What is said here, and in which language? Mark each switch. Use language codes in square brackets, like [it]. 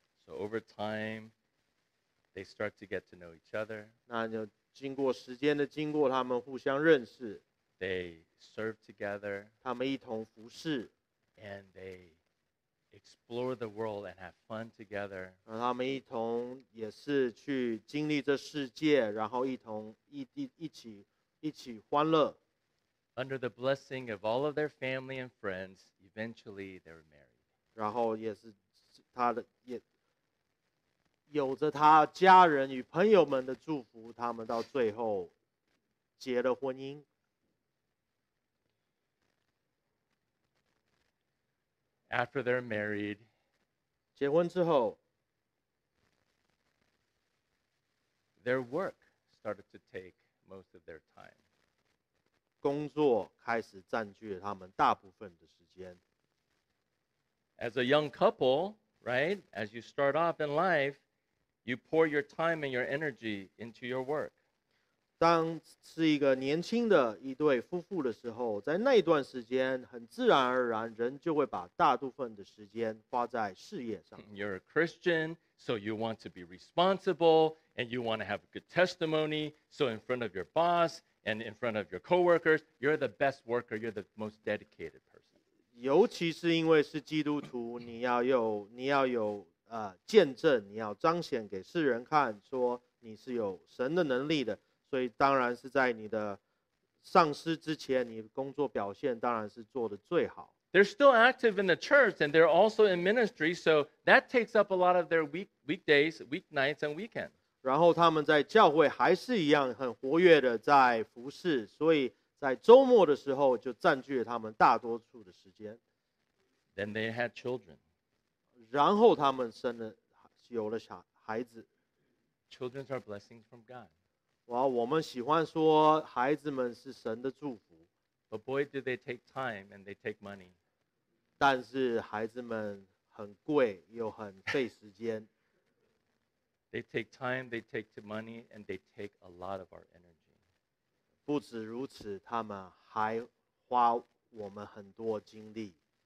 [en] So over time, they start to get to know each other. [zh] 那就经过时间的经过，他们互相认识。 [en] They serve together. [zh] 他们一同服侍。 [en] And they explore the world and have fun together. [zh] 然后他们一同也是去经历这世界，然后一起欢乐。 [en] Under the blessing of all of their family and friends, eventually they were married. [zh] 然后也是他的也。有着他家人与朋友们的祝福，他们到最后结了婚姻。 [en] After they're married, [zh] 结婚之后 [en] ，their work started to take most of their time. [zh] 工作开始占据了他们大部分的时间。 [en] As a young couple, right? As you start off in life. You pour your time and your energy into your work. [zh] 当是一个年轻的一对夫妇的时候，在那一段时间，很自然而然，人就会把大部分的时间花在事业上。 [en] You're a Christian, so you want to be responsible, and you want to have a good testimony. So in front of your boss and in front of your coworkers, you're the best worker. You're the most dedicated person. [zh] 尤其是因为是基督徒，你要有。见证你要彰显给世人看说你是有神的能力的所以当然是在你的上司之前你工作表现当然是做得最好 [en] They're still active in the church and they're also in ministry so that takes up a lot of their weekdays, weeknights and weekends [zh] 然后他们在教会还是一样很活跃的在服事所以在周末的时候就占据了他们大多数的时间 [en] Then they had children [zh] 然后他们生了有了小孩子 [en] Children are blessings from God. [zh] 哇我们喜欢说孩子们是神的祝福 [en] But boy, do they take time and they take money. [zh] 但是孩子们很贵又很费时间 [en] They take time, they take money, and they take a lot of our energy. [zh] 不止如此他们还花我们很多精力